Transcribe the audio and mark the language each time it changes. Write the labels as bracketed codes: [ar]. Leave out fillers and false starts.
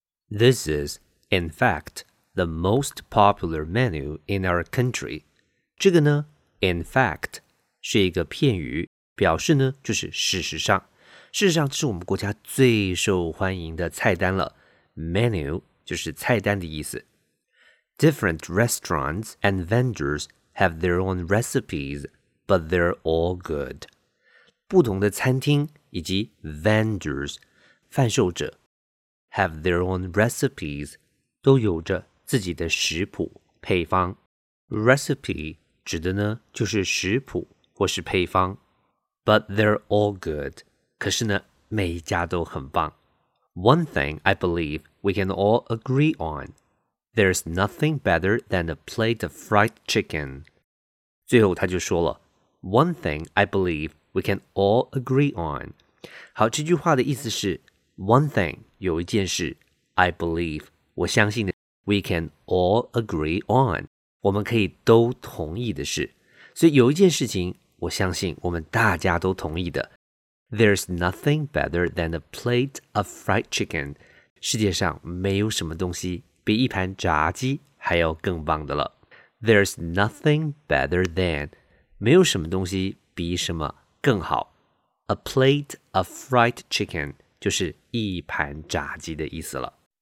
[en] This is, in fact, the most popular menu in our country. [zh] 这个呢 ， in fact 是一个片语，表示呢就是事实上，事实上这是我们国家最受欢迎的菜单了。 Menu 就是菜单的意思。 [en] Different restaurants and vendors have their own recipes, but they're all good. [zh] 不同的餐厅以及 vendors, 贩售者 [en] have their own recipes, 都有着 [zh] 自己的食谱、配方。Recipe 指的呢就是食谱或是配方。 But they're all good. 可是呢每一家都很棒。 [en] One thing I believe we can all agree on. There's nothing better than a plate of fried chicken. [zh] 最后他就说了 One thing I believe we can all agree on. 好，这句话的意思是 One thing 有一件事 I believe 我相信的 We can all agree on. 我们可以都同意的事。所以有一件事情我相信我们大家都同意的。 [en] There's nothing better than a plate of fried chicken. [zh] 世界上没有什么东西比一盘炸鸡还要更棒的了。 [en] There's nothing better than, [zh] 没有什么东西比什么更好。 [en] A plate of fried chicken [zh] 就是一盘炸鸡的意思了。